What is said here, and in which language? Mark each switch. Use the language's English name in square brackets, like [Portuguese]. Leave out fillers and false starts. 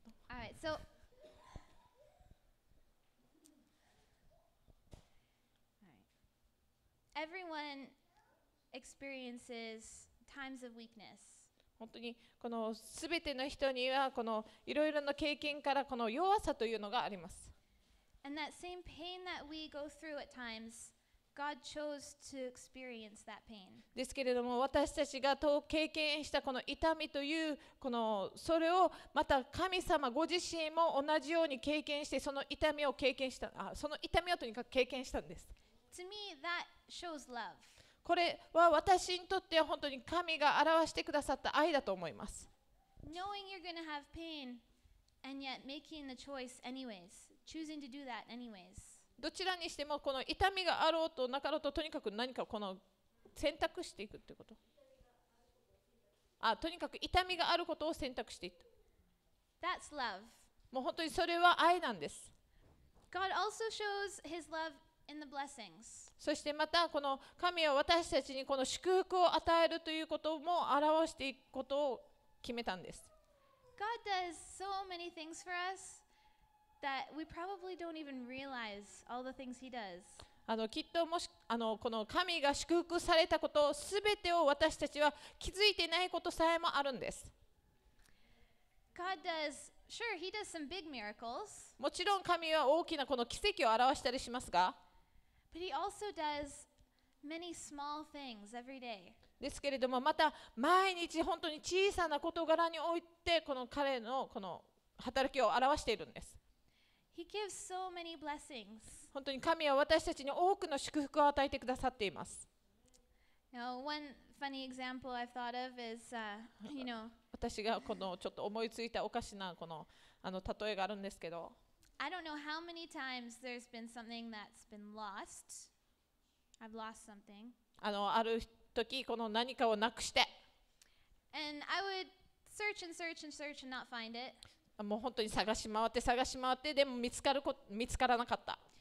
[English] All right, so everyone experiences times of weakness. [Japanese] 本当にこの全ての人にはこのいろいろな経験からこの弱さというのがあります。 [English] And that same pain that we go through at times. God chose to experience that pain. [Japanese] ですけれども、私たちが経験したこの痛みというこのそれをまた神様ご自身も同じように経験して、その痛みを経験した、その痛みをとにかく経験したんです。 [English] To me, that shows love. [Japanese] これは私にとっては本当に神が表してくださった愛だと思います。 [English] Knowing you're going to have pain and yet making the choice anyways, choosing to do that anyways. [Japanese] どちらにしてもこの痛みがあろうとなかろうと、とにかく何かこの選択していくということ、とにかく痛みがあることを選択していく、 [English] That's love. [Japanese] もう本当にそれは愛なんです。 [English] God also shows his love in the blessings. [Japanese] そしてまたこの神は私たちにこの祝福を与えるということも表していくことを決めたんです。 [English] God does so many things for usThat we probably don't even realize all the things he does. [Japanese] きっともしこの神が祝福されたことすべてを私たちは気づいてないことさえもあるんです。 [English] God does, sure, he does some big miracles. [Japanese] もちろん神は大きなこの奇跡を表したりしますが、 [English] But he also does many small things every day. [Japanese] ですけれども、また毎日本当に小さな事柄においてこの彼のこの働きを表しているんです。 [English] He gives so many blessings. [Japanese] 本当に神は私たちに多くの祝福を与えてくださっています。 [English] Now, one funny example I've thought of is, you know, [Japanese] 私がこのちょっと思いついたおかしなこの例えがあるんですけど。 [English] I don't know how many times there's been something that's been lost. I've lost something. [Japanese] ある時この何かをなくして。 [English] And I would search and search and search and not find it. [Japanese] もう本当に探し回って探し回ってでも見つからなかった。